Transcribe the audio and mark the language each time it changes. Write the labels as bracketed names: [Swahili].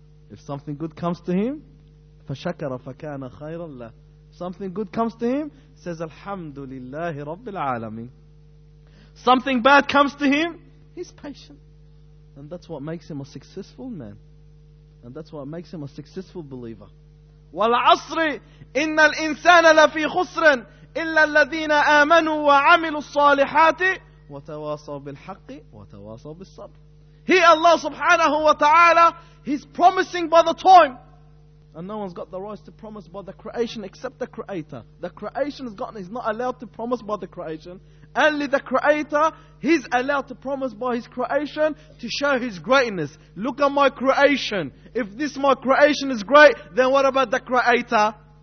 [English] If something good comes to him, [Arabic] فَشَكَرَ فَكَانَ خَيْرًا لَهُ. [English] Something good comes to him, says, Alhamdulillahi Rabbil Alameen. Something bad comes to him, he's patient. And that's what makes him a successful man. And that's what makes him a successful believer. [Arabic] وَالْعَصْرِ إِنَّ الْإِنسَانَ لَفِي خُسْرًا إِلَّا الَّذِينَ آمَنُوا وَعَمِلُوا الصَّالِحَاتِ وَتَوَاصَوْ بِالْحَقِّ وَتَوَاصَوْ بِالصَّبْرِ. [English] He, Allah subhanahu wa ta'ala, He's promising by the time And no one's got the right to promise by the creation except the Creator. The creation is not allowed to promise by the creation. Only the Creator, He's allowed to promise by His creation to show His greatness. Look at my creation. If this my creation is great, then what about the Creator?